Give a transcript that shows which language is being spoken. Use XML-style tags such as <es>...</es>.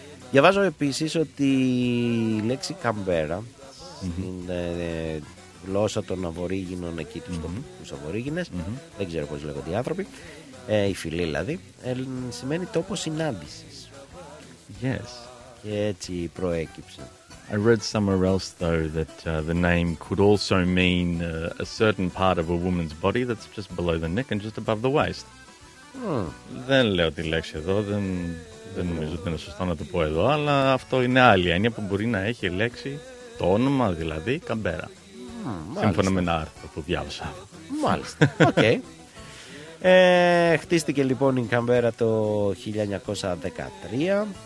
<el>Διαβάζω επίσης ότι η λέξη Καμπέρα στην γλώσσα των Αβορίγινων εκεί, τους τοπικούς Αβορίγινες, δεν ξέρω πώς λέγονται οι άνθρωποι, οι φιλοί δηλαδή, σημαίνει τόπο συνάντησης.</el> <en>Yes.</en> <el>Και έτσι προέκυψε.</el> <en>I read somewhere else though that the name could also mean a certain part of a woman's body that's just below the neck and just above the waist.</en> <el>Δεν λέω τη λέξη εδώ, δεν νομίζω ότι είναι σωστό να το πω εδώ, αλλά αυτό είναι άλλη έννοια που μπορεί να έχει λέξη το όνομα, δηλαδή Καμπέρα. Σύμφωνα με ένα άρθρο που διάβασα. Μάλιστα. Okay. Χτίστηκε λοιπόν η Καμπέρα το 1913.</el>